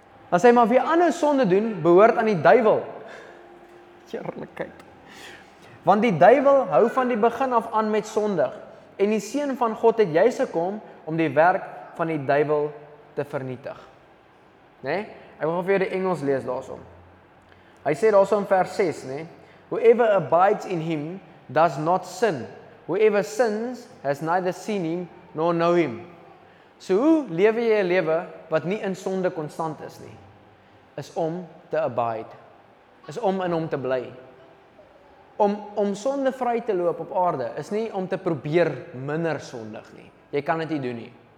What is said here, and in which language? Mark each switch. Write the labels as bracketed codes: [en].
[af] Dan sê hy, maar wie ander sonde doen, behoort aan die duivel. Heerlikheid. Want die duivel hou van die begin af aan met sondig. En die seun van God het juis gekom om die werk van die duivel te vernietig. Nee? Ek wil vir die Engels lees daarsom. Hy sê daarsom vers 6, nee? [en] Whoever abides in him does not sin. Whoever sins has neither seen him nor know him. [af] So hoe lewe jy 'n lewe wat nie in sonde konstant is nie? Is om te abide. Is om in hom te bly. Om sonde vry te loop op aarde is nie om te probeer minder sondig nie. Jy kan dit nie doen nie.